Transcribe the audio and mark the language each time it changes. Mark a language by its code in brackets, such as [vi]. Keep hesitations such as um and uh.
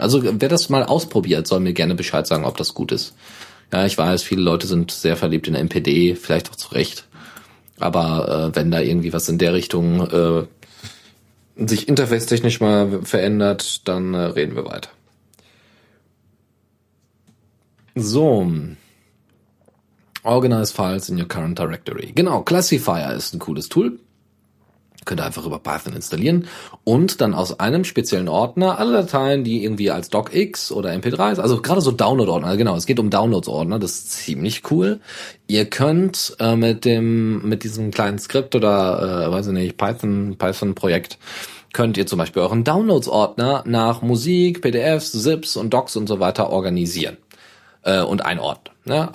[de] Also wer das mal ausprobiert, soll mir gerne Bescheid sagen, ob das gut ist. Ja, ich weiß, viele Leute sind sehr verliebt in MPD, vielleicht auch zu Recht. Aber äh, wenn da irgendwie was in der Richtung äh, sich interface-technisch mal verändert, dann äh, reden wir weiter. So. [en] Organize Files in your current directory. [de] Genau, Classifier ist ein cooles Tool könnt ihr einfach über Python installieren und dann aus einem speziellen Ordner alle Dateien, die irgendwie als DocX oder MP3, also gerade so Download-Ordner, genau, es geht um Downloads-Ordner, das ist ziemlich cool. Ihr könnt äh, mit dem, mit diesem kleinen Skript oder, äh, weiß ich nicht, Python, Python-Projekt, könnt ihr zum Beispiel euren Downloads-Ordner nach Musik, PDFs, ZIPs und Docs und so weiter organisieren äh, und einordnen. Ne?